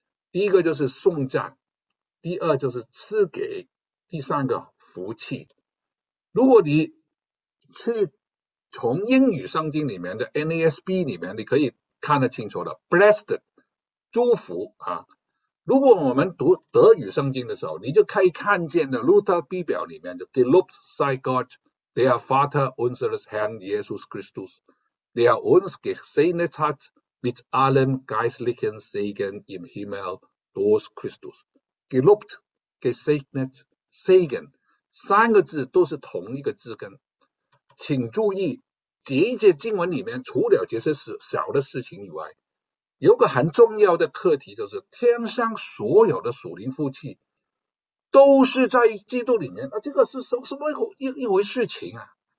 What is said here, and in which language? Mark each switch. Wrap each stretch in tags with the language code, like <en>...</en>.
<zh>第一个就是颂赞，第二就是赐给，第三个福气。如果你去从英语圣经里面的 NASB 里面，你可以看得清楚的 blessed 祝福啊。如果我们读德语圣经的时候，你就可以看见的</zh> <de>Luther Bibel 里面的 gelobt sei Gott der Vater unseres Herrn Jesus Christus der uns gesegnet hat mit allen geistlichen Segen im Himmel</de> <zh>Dos Christus, Gelobt, Gesegnet, Segen 三个字都是同一个字根。请注意，这一节经文里面除了这些小的事情以外，有个很重要的课题，就是天上所有的属灵福气都是在基督里面。那这个是什么一回事情啊？</zh>